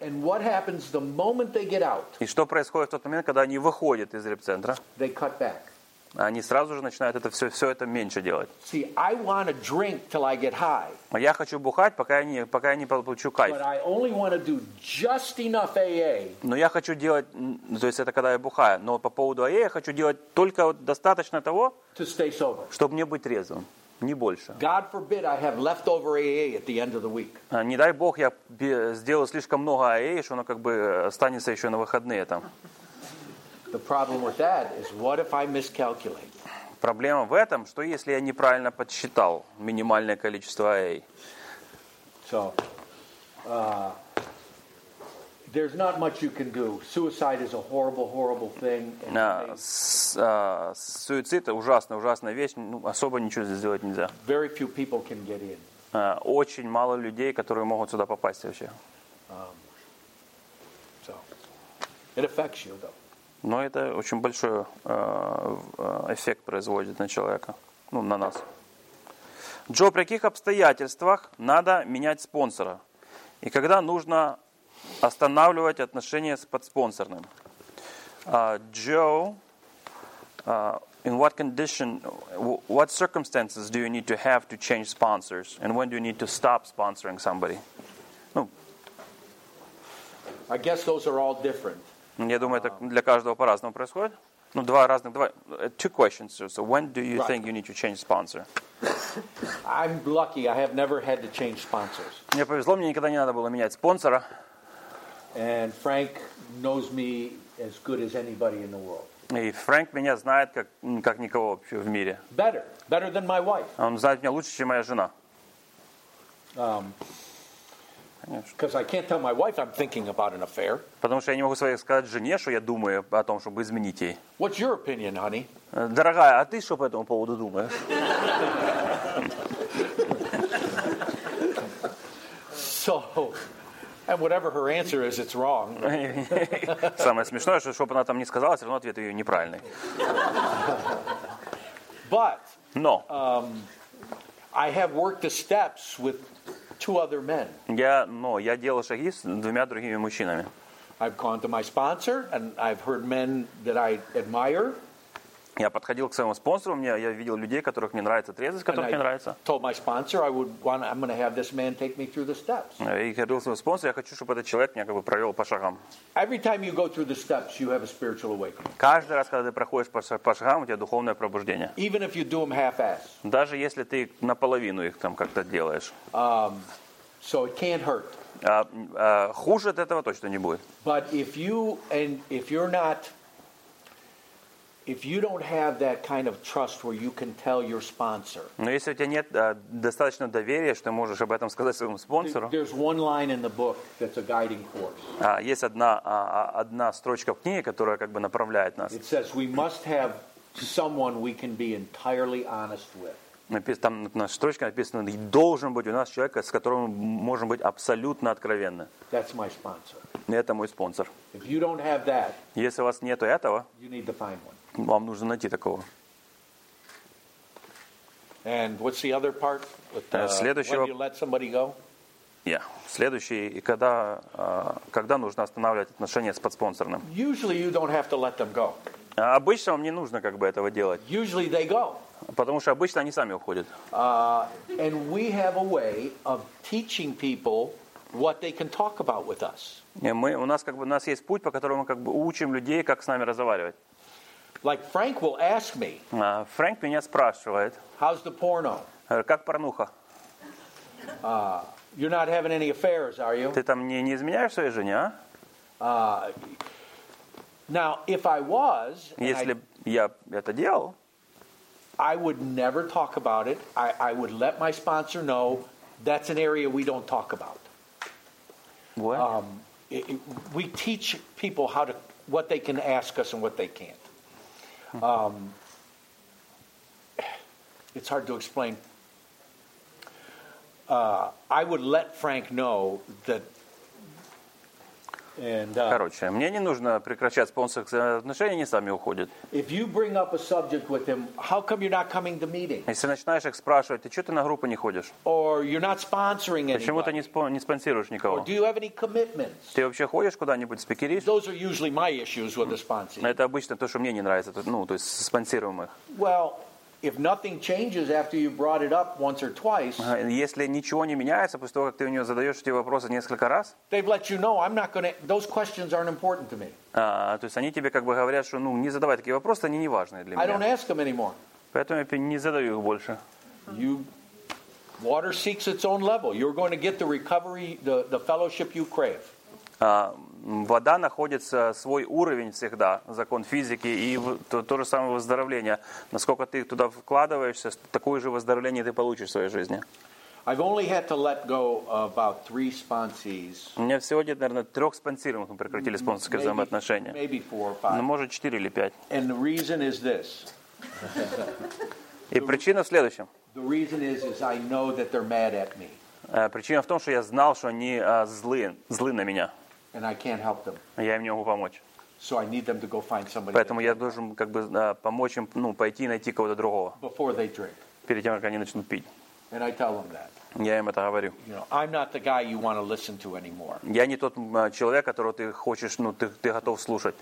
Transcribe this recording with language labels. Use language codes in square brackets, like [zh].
[en] And what happens the moment they get out? [ru] И что происходит в тот момент, когда они выходят из реп-центра? [en] They cut back. [ru] Они сразу же начинают это все это меньше делать. [en] See, I want to drink till I get high. [ru] Я хочу бухать, пока я не получу кайф. [en] But I only want to do just enough AA. [ru] Но я хочу делать, то есть это когда я бухаю, но по поводу AA я хочу делать только достаточно того, [en] to stay sober. [ru] Чтобы мне быть трезвым, не больше. [en] God forbid I have leftover AA at the end of the week. [ru] Не дай бог я сделаю слишком много AA, что оно как бы останется еще на выходные там. [en] The problem with that is, what if I miscalculate? [ru] Проблема в этом, что если я неправильно подсчитал минимальное количество AA. [en] So, there's not much you can do. Suicide is a horrible, horrible thing. [ru] Суицид – ужасная, ужасная вещь. Ну, особо ничего здесь сделать нельзя. [en] Very few people can get in. [ru] Очень мало людей, которые могут сюда попасть вообще. [en] So, it affects you, though. [ru] Но это очень большой эффект производит на человека, ну, на нас. Джо, при каких обстоятельствах надо менять спонсора? И когда нужно останавливать отношения с подспонсорным? [en] Джо, in what condition, what circumstances do you need to have to change sponsors? And when do you need to stop sponsoring somebody? [ru] Ну, [en] I guess those are all different. [ru] Я думаю, это для каждого по-разному происходит. Ну, два разных, два. [en] Two questions. So, when do you think you need to change sponsor? I'm lucky. I have never had to change sponsors. [ru] Мне повезло, мне никогда не надо было менять спонсора. [en] And Frank knows me as good as anybody in the world. [ru] И Фрэнк меня знает как никого вообще в мире. [en] Better than my wife. [ru] Он знает меня лучше, чем моя жена. [en] Because I can't tell my wife I'm thinking about an affair. [ru] Потому что я не могу своей сказать жене, что я думаю о том, чтобы изменить ей. [en] What's your opinion, honey? [ru] Дорогая, а ты что по этому поводу думаешь? [en] So, and whatever her answer is, it's wrong. [ru] Самое смешное, что бы она там ни сказала, все равно ответ ее неправильный. [en] But. [ru] Но. [en] I have worked the steps with. Two other men. [ru] Я делал шаги с двумя другими мужчинами. [en] I've gone to my sponsor and I've heard men that I admire. [ru] Я подходил к своему спонсору, я видел людей, которых мне нравится трезвость, которых мне нравится. [en] Told my sponsor I would want, I'm going to have this man take me through the steps. [ru] И говорил своему спонсору, я хочу, чтобы этот человек меня как бы провел по шагам. [en] Every time you go through the steps, you have a spiritual awakening. [ru] Каждый раз, когда ты проходишь по шагам, у тебя духовное пробуждение. [en] Even if you do them half-ass. [ru] Даже если ты наполовину их там как-то делаешь. [en] So it can't hurt. [ru] Хуже от этого точно не будет. [en] But if you and if you're not If you don't have that kind of trust where you can tell your sponsor. [ru] Но если у тебя нет достаточно доверия, что ты можешь об этом сказать своему спонсору. [en] There's one line in the book that's a guiding force. [ru] Есть одна строчка в книге, которая как бы направляет нас. [en] It says we must have someone we can be entirely honest with. [ru] Там на строчке написано, должен быть у нас человек, с которым мы можем быть абсолютно откровенны. [en] That's my sponsor. [ru] Это мой спонсор. [en] If you don't have that, [ru] если у вас нету этого, [en] you need to find one. [ru] Вам нужно найти такого. [en] And what's the other part? [ru] Следующего. [en] When you let somebody go? Yeah. [ru] Следующий. И когда нужно останавливать отношения с подспонсорным? [en] Usually you don't have to let them go. [ru] Обычно вам не нужно как бы этого делать. [en] Usually they go. [ru] Потому что обычно они сами уходят. [en] And we have a way of teaching people what they can talk about with us. [ru] У нас есть путь, по которому мы как бы учим людей, как с нами разговаривать. [en] Like Frank will ask me. [ru] Frank меня спрашивает. [en] How's the porno? [ru] Как порнуха? [en] You're not having any affairs, are you? [ru] Ты там не изменяешь своей жене, а? [en] Now, if I was, [ru] если я это делал, [en] I would never talk about it. I would let my sponsor know that's an area we don't talk about. What? We teach people how to what they can ask us and what they can't. It's hard to explain. I would let Frank know that. And, [ru] короче, мне не нужно прекращать спонсорские отношения, они сами уходят. [en] If you bring up a subject with him, how come you're not coming to meeting? [ru] Если начинаешь их спрашивать, ты что ты на группу не ходишь? [en] Or you're not sponsoring anybody? [ru] Почему ты не спонсируешь никого? [en] Or do you have any commitments? [ru] Ты вообще ходишь куда-нибудь спикеришь? [en] Those are usually my issues with the sponsoring. [ru] Это обычно то, что мне не нравится, ну, то есть спонсируемых. [en] Well, if nothing changes after you brought it up once or twice, [ru] если ничего не меняется после того, как ты у него задаешь эти вопросы несколько раз, [en] they've let you know I'm not going to. Those questions aren't important to me. [ru] То есть они тебе как бы говорят, что ну не задавай такие вопросы, они не важные для меня. [en] I don't ask them anymore. [ru] Поэтому я не задаю их больше. [en] You water seeks its own level. You're going to get the recovery, the fellowship you crave. [ru] Вода находится свой уровень всегда, закон физики, и то же самое выздоровление. Насколько ты туда вкладываешься, такое же выздоровление ты получишь в своей жизни. [en] I've only had to let go about three sponsees. [ru] У меня всего где-то, наверное, трех спонсируемых мы прекратили спонсорские взаимоотношения. [en] Maybe four or five. [ru] Ну, может, четыре или пять. [en] And the reason is this. [ru] И причина в следующем. [en] The reason is I know that they're mad at me. [ru] Причина в том, что я знал, что они злы на меня. [en] And I can't help them. [ru] Я им не могу помочь. [en] So I need them to go find somebody. [ru] Поэтому я должен как бы помочь им, ну, пойти и найти кого-то другого. [en] Before they drink. [ru] Перед тем, как они начнут пить. [en] And I tell them that. [ru] Я им это говорю. [en] You know, I'm not the guy you want to listen to anymore. [ru] Я не тот человек, которого ты хочешь, ну, ты готов слушать.